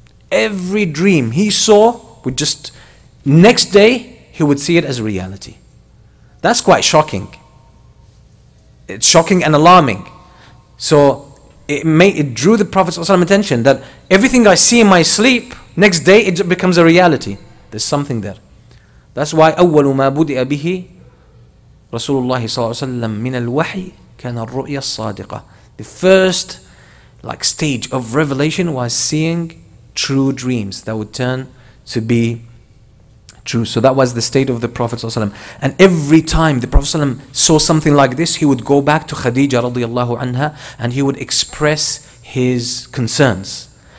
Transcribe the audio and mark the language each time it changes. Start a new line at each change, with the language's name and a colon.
English: Every dream he saw, would just next day, he would see it as reality. That's quite shocking. It's shocking and alarming. So it drew the Prophet's attention that everything I see in my sleep, Next day it becomes a reality. There's something there. That's why
Arabic: أول ما بدأ به رسول الله صلى الله عليه وسلم من الوحي كان الرؤيا الصادقة.
English: The first like stage of revelation was seeing true dreams that would turn to be true. So that was the state of the Prophet ﷺ. And every time the Prophet ﷺ saw something like this, he would go back to Khadija radiallahu anha and he would express his concerns.